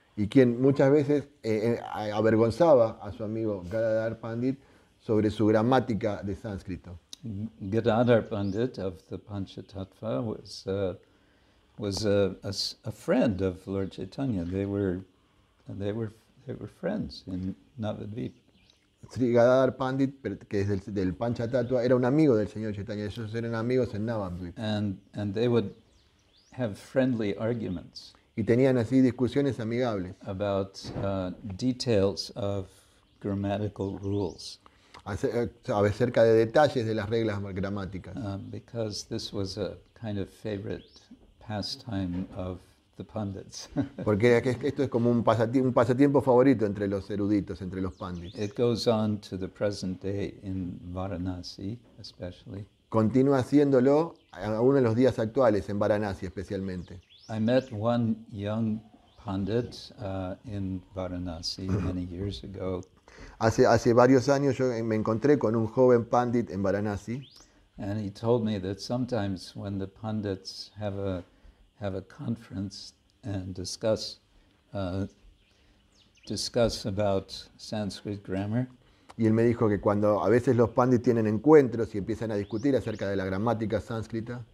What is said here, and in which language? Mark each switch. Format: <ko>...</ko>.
<es>Y quien muchas veces avergonzaba a su amigo Gadadhar Pandit sobre su gramática de sánscrito.</es> <en>Gadadhar Pandit of the Panchatattva was a friend of Lord Chaitanya. They were friends in Navadvipa.</en> <es>Srigadadhar Pandit, que es del Panchatattva, era un amigo del señor Chaitanya. Ellos eran amigos en Navadvip.</es> <en>And they would have friendly arguments.</en> <es>Y tenían así discusiones amigables.</es> <en>About details of grammatical rules.</en> <es>Acerca de detalles de las reglas gramáticas.</es> <en>Because this was a kind of favorite pastime of the pundits.</en> <es>Porque esto es como un pasatiempo favorito entre los eruditos, entre los pandits.</es> <en>It goes on to the present day in Varanasi, especially.</en> <es>Continúa haciéndolo aún en los días actuales, en Varanasi especialmente.</es> <en>I met one young pundit in Varanasi many years ago.</en> <es>Hace varios años yo me encontré con un joven pandit en Varanasi.</es> <en>And he told me that sometimes when the pundits have a conference and discuss about Sanskrit grammar.</en> <es>Y él me dijo que cuando a veces los pandits tienen encuentros y empiezan a discutir acerca de la gramática sánscrita.</es>